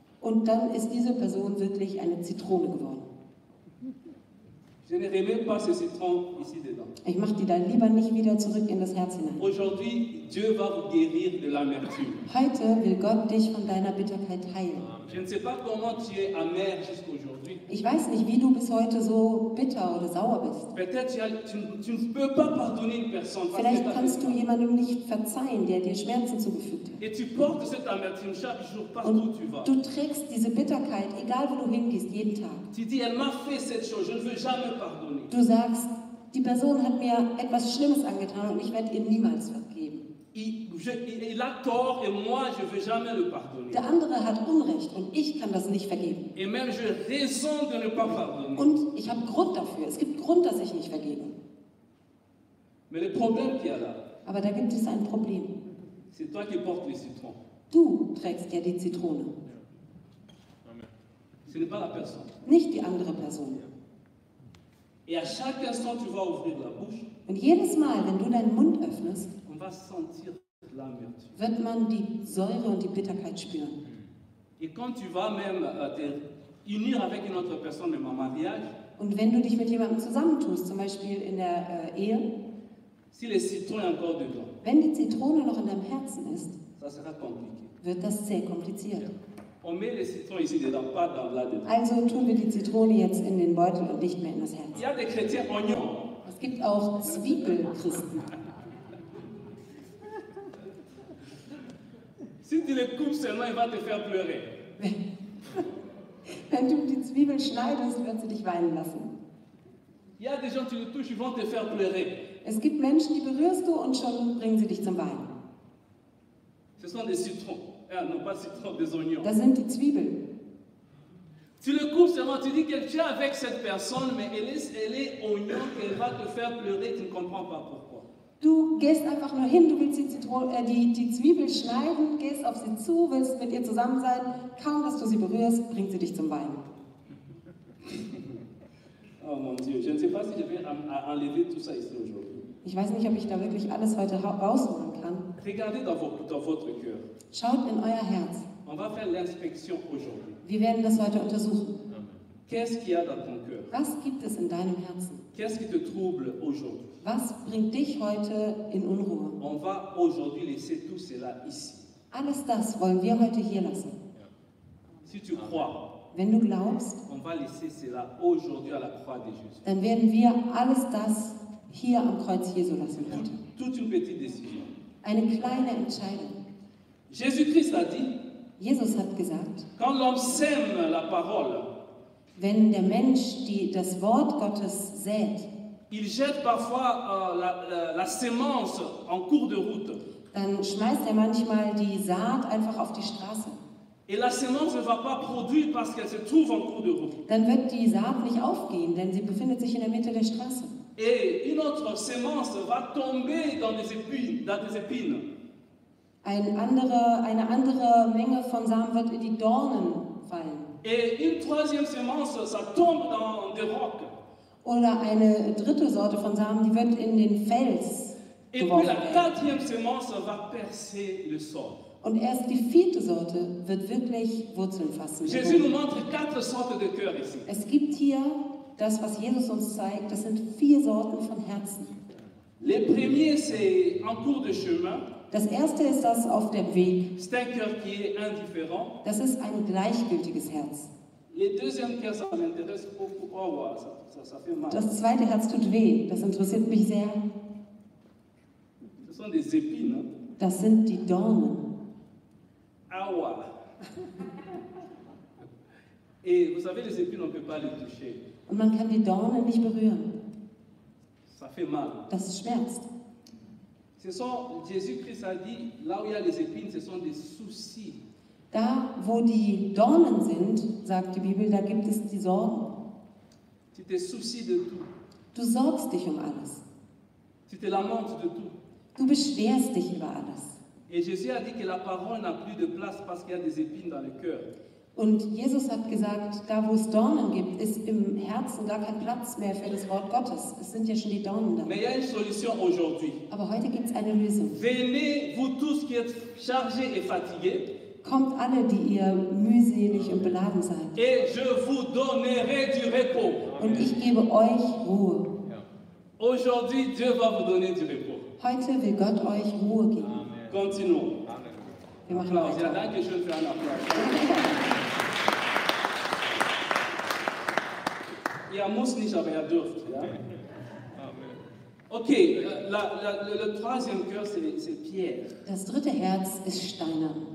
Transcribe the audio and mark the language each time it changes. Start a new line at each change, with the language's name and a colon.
German: Und dann ist diese Person wirklich eine Zitrone geworden.
French: Je ne remets pas ce citron ici dedans.
German: Ich mache die dann lieber nicht wieder zurück in das Herz hinein.
French: Aujourd'hui, Dieu va vous guérir de l'amertume.
German: Heute will Gott dich von deiner Bitterkeit heilen.
French: Je ne sais pas comment tu es amer jusqu'aujourd'hui.
German: Ich weiß nicht, wie du bis heute so bitter oder sauer bist.
French: Tu ne peux pas pardonner une personne.
German: Vielleicht kannst du jemandem nicht verzeihen, der dir Schmerzen zugefügt hat.
French: Et tu portes cette amertume chaque jour, partout où tu vas.
German: Du trägst diese Bitterkeit, egal wo du hingehst, jeden Tag.
French: Tu dis, elle m'a fait cette chose, je ne veux jamais pardonner.
German: Du sagst, die Person hat mir etwas Schlimmes angetan und ich werde ihr niemals vergeben.
French: Il a tort et moi je veux jamais le pardonner.
German: Der andere hat Unrecht und ich kann das nicht vergeben.
French: Et même je raison de ne pas pardonner.
German: Und ich habe Grund dafür. Es gibt Grund, dass ich nicht vergebe.
French: Mais le problème qu'il y a là.
German: Aber da gibt es ein Problem.
French: C'est toi qui portes les citrons.
German: Du trägst ja die Zitrone.
French: Ce n'est pas la personne.
German: Nicht die andere Person.
French: Et à chaque instant tu vas ouvrir la bouche.
German: Und jedes Mal, wenn du deinen Mund öffnest,
French: on va sentir l'amertume.
German: Wird man die Säure und die Bitterkeit spüren.
French: Et quand tu vas même te unir avec une autre personne en mariage,
German: und wenn du dich mit jemandem zusammentust, zum Beispiel in der Ehe,
French: si le citron est encore dedans,
German: wenn die Zitrone noch in deinem Herzen ist,
French: ça sera compliqué.
German: Wird das sehr kompliziert. Ja.
French: On met les citrons ici dedans, pas dans là dedans.
German: Also tun wir die Zitrone jetzt in den Beutel und nicht mehr in das Herz.
French: Il y a des chrétiens oignons.
German: Es gibt auch Zwiebelchristen.
French: Si tu les coupes seulement, il va te faire pleurer.
German: Wenn du die Zwiebel schneidest, wird sie dich weinen lassen.
French: Il y a des gens qui les touchent, ils vont te faire pleurer.
German: Es gibt Menschen, die berührst du und schon bringen sie dich zum Weinen.
French: Ce sont des citrons. Ja, non, pas citron, des oignons.
German: Das sind die Zwiebeln.
French: Tu le coupes seulement, tu dis qu'elle tient avec cette personne, mais elle est oignon, elle va te faire pleurer, tu ne comprends pas pourquoi.
German: Du gehst einfach nur hin, du willst die Zwiebel schneiden, gehst auf sie zu, willst mit ihr zusammen sein, kaum dass du sie berührst, bringt sie dich zum Weinen.
French: Oh mon Dieu, je ne sais pas si je vais enlever tout ça ici aujourd'hui.
German: Ich weiß nicht, ob ich da wirklich alles heute rausholen kann.
French: Regardez dans votre cœur.
German: Schaut in euer Herz.
French: On va faire l'inspection aujourd'hui.
German: Wir werden das heute untersuchen.
French: Qu'est-ce qu'il y a dans ton cœur?
German: Was gibt es in deinem Herzen?
French: Qu'est-ce qui te trouble aujourd'hui?
German: Was bringt dich heute in Unruhe?
French: On va aujourd'hui laisser tout cela ici.
German: Alles das wollen wir heute hier lassen.
French: Si tu crois.
German: Wenn du glaubst.
French: On va laisser cela aujourd'hui à la croix de Jésus.
German: Dann werden wir alles das hier am Kreuz Jesu lassen heute.
French: Toute une petite décision.
German: Eine kleine Entscheidung.
French: Jésus-Christ a dit,
German: Jesus hat gesagt,
French: quand l'homme sème la parole,
German: wenn der Mensch das Wort Gottes sät,
French: il jette parfois la semence en cours de route.
German: Dann schmeißt manchmal die Saat einfach auf die Straße.
French: Et la semence ne va pas produire parce qu'elle se trouve en cours de route.
German: Dann wird die Saat nicht aufgehen, denn sie befindet sich in der Mitte der Straße.
French: Et une autre semence va tomber dans des épines.
German: Eine andere Menge von Samen wird in die Dornen fallen.
French: Et une troisième semence, ça tombe dans des rocs.
German: Oder eine dritte Sorte von Samen, die wird in den Fels geworfen.
French: Et puis la quatrième semence va percer le sol.
German: Und erst die vierte Sorte wird wirklich Wurzeln fassen.
French: Jésus nous montre quatre sortes de cœur ici.
German: Es gibt hier das, was Jesus uns zeigt, das sind vier Sorten von Herzen.
French: Le premier, c'est en cours de chemin.
German: Das erste ist das auf dem Weg.
French: C'est un cœur qui est indifférent.
German: Das ist ein gleichgültiges Herz.
French: Le deuxième cœur, ça m'intéresse beaucoup. Oh, ça fait mal.
German: Das zweite Herz tut weh. Das interessiert mich sehr. Das sind
French: des épines.
German: Das sind die Dornen. Aua.
French: Et vous savez, les épines, on peut pas les toucher.
German: Und man kann die Dornen nicht berühren.
French: Ça fait mal.
German: Das schmerzt.
French: Jésus-Christ a dit, là où il y a les épines, ce sont des soucis.
German: Da, wo die Dornen sind, sagt die Bibel, da gibt es die Sorgen.
French: Tu te soucies de tout.
German: Du sorgst dich um alles.
French: Tu te lamentes de tout.
German: Du beschwerst dich über alles.
French: Et Jésus a dit que la parole n'a plus de place parce qu'il y a des épines dans le cœur.
German: Und Jesus hat gesagt, da wo es Dornen gibt, ist im Herzen gar kein Platz mehr für das Wort Gottes. Es sind ja schon die Dornen da.
French: Mais il y a une solution aujourd'hui.
German: Aber heute gibt es eine Lösung.
French: Venez, vous tous qui êtes chargés et fatigués.
German: Kommt alle, die ihr mühselig und beladen seid.
French: Et je vous donnerai du repos. Amen.
German: Und ich gebe euch Ruhe. Ja.
French: Aujourd'hui, Dieu va vous donner du repos.
German: Heute will Gott euch Ruhe geben. Amen.
French: Continuons.
German: Amen. Wir machen weiter. Danke schön für einen Applaus. Ihr müsst nicht, aber ihr dürft. Ja?
French: Okay, le troisième cœur, c'est Pierre.
German: Das dritte Herz ist Steiner.